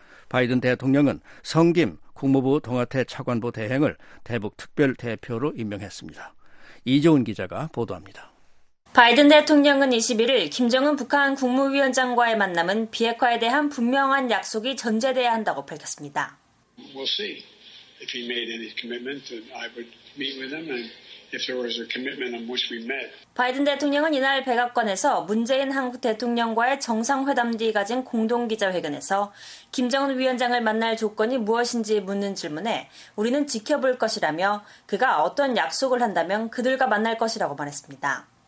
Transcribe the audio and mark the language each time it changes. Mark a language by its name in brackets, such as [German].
[Korean] 바이든 대통령은 성 김 국무부 동아태 차관보 대행을 대북 특별대표로 임명했습니다. 이재훈 기자가 보도합니다. 바이든 대통령은 21일 김정은 북한 국무위원장과의 만남은 비핵화에 대한 분명한 약속이 전제돼야 한다고 밝혔습니다. [English] We'll see if he made any commitment, I would meet with him and if there was a commitment on which we met. [Korean] 바이든 대통령은 이날 백악관에서 문재인 한국 대통령과의 정상회담 뒤 가진 공동기자회견에서 김정은 위원장을 만날 조건이 무엇인지 묻는 질문에 우리는 지켜볼 것이라며 그가 어떤 약속을 한다면 그들과 만날 것이라고 말했습니다.